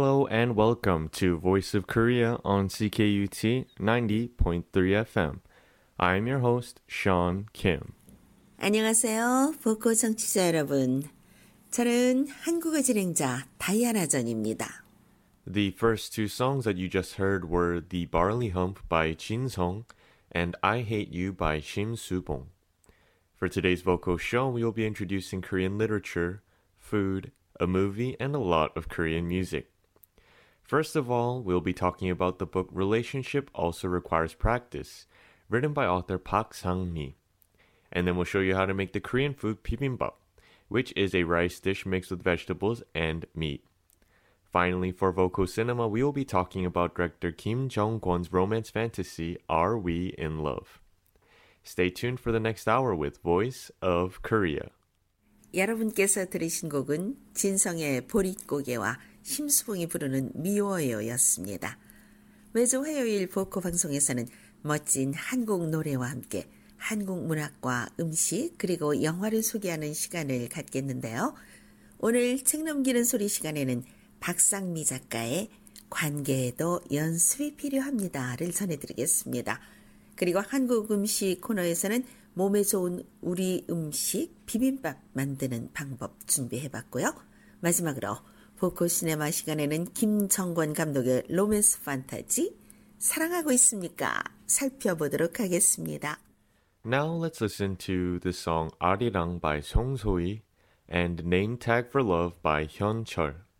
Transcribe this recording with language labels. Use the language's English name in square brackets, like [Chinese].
[English] and welcome to Voice of Korea on CKUT 90.3 FM. I am your host, Sean Kim. [Korean] 안녕하세요, 보코 청취자 여러분. 저는 한국어 진행자 다이아나 전입니다. [English] The first two songs that you just heard were The Barley Hump by Jin Song and I Hate You by Shim Soo-bong. For today's vocal show, we will be introducing Korean literature, food, a movie, and a lot of Korean music. First of all, we'll be talking about the book Relationship Also Requires Practice, written by author Park Sang-mi. And then we'll show you how to make the Korean food bibimbap, which is a rice dish mixed with vegetables and meat. Finally, for vocal cinema, we will be talking about director Kim Jong-kwon's romance fantasy, Are We in Love? Stay tuned for the next hour with Voice of Korea. [Korean] 여러분께서 들으신 곡은 진성의 보릿고개와 심수봉이 부르는 미워요였습니다. 매주 화요일 보코 방송에서는 멋진 한국 노래와 함께 한국 문학과 음식 그리고 영화를 소개하는 시간을 갖겠는데요. 오늘 책 넘기는 소리 시간에는 박상미 작가의 관계에도 연습이 필요합니다를 전해드리겠습니다. 그리고 한국 음식 코너에서는 몸에 좋은 우리 음식 비빔밥 만드는 방법 준비해봤고요. 마지막으로 보코 시네마 시간에는 김정권 감독의 로맨스 판타지 사랑하고 있습니까? 살펴보도록 하겠습니다. [English] Now let's listen to the song Arirang by Song So-hee and Name Tag for Love by Hyun Chul.